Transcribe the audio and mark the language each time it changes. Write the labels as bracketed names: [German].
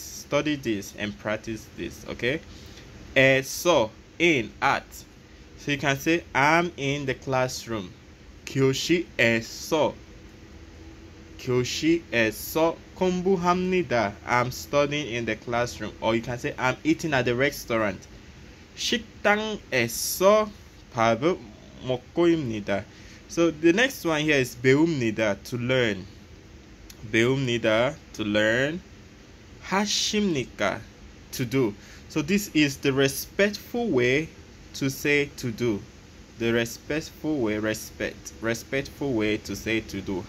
[English] Study this and practice this, okay? So, in, at. So you can say, I'm in the classroom. [Korean] 교실에서. 교실에서 공부합니다. [English] I'm studying in the classroom. Or you can say, I'm eating at the restaurant. [Korean] 식당에서 밥을 먹고 있습니다. [English] So the next one here is 배웁니다, to learn. 배웁니다, to learn. 하십니까, to do. So this is the respectful way to say to do. The respectful way, respectful way to say to do.